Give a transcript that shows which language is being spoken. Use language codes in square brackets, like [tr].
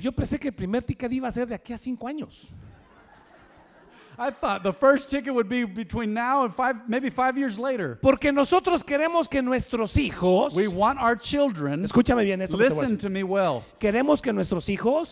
[es] Yo pensé que el primer ticket iba a ser de aquí a 5 años. [en] I thought the first ticket would be between now and 5, maybe 5 years later. [es] Porque nosotros queremos que nuestros hijos. [en] We want our children. [es] Escúchame bien esto. [en] Listen to me well. [es] Queremos que nuestros hijos.